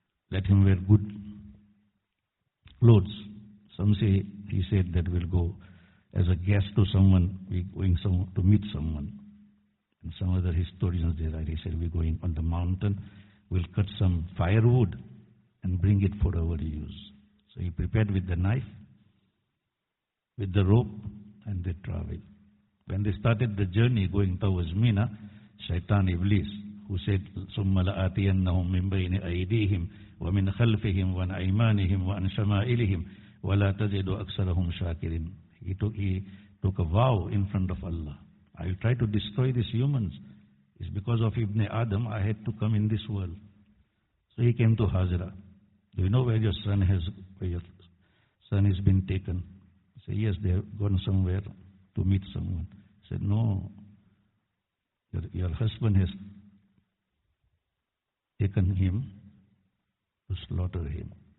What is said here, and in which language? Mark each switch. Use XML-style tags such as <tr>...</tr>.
<en>Let him wear good clothes. Some say he said that we'll go as a guest to someone, we're going to meet someone. And some other historians, they write, he said, we're going on the mountain, we'll cut some firewood and bring it for our use. So he prepared with the knife, with the rope, and they traveled. When they started the journey going towards Mina, Shaitan Iblis, who said,</en> <ar>ثُمَّ لَآتِيَنَّهُمْ مِنْ بَيْنِ أَيْدِيهِمْ وَمِنْ خَلْفِهِمْ وَنْ أَيْمَانِهِمْ وَأَنْ شَمَائِلِهِمْ وَلَا تَجِدُ أَكْثَرَهُمْ شَاكِرِينَ.</ar> <en>He took a vow in front of Allah. I will try to destroy these humans. It's because of Ibn Adam I had to come in this world. So he came to Hazra. Do you know where your son has been taken? He said, yes, they have gone somewhere to meet someone. He said, no, your husband has taken him to slaughter him.</en>